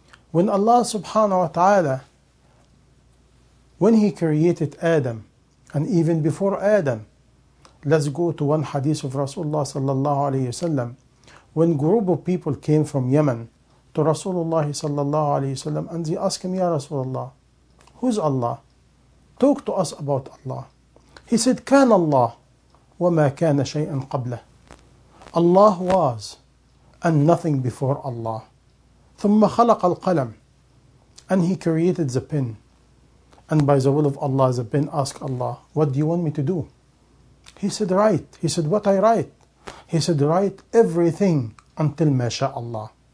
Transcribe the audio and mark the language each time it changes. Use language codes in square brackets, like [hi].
[en] When Allah subhanahu wa ta'ala, when he created Adam, and even before Adam, let's go to one hadith of Rasulullah sallallahu alayhi wasallam. When group of people came from Yemen to Rasulullah sallallahu alayhi wasallam, and they asked him, Ya Rasulullah, who's Allah? Talk to us about Allah. He said, [ar] كان الله وما كان شيئا قبله. [en] Allah was and nothing before Allah. [ar] ثم خلق القلم. [en] And he created the pen. And by the will of Allah, the pen asked Allah, what do you want me to do? He said, write. He said, what I write? He said, write everything until ما شاء الله.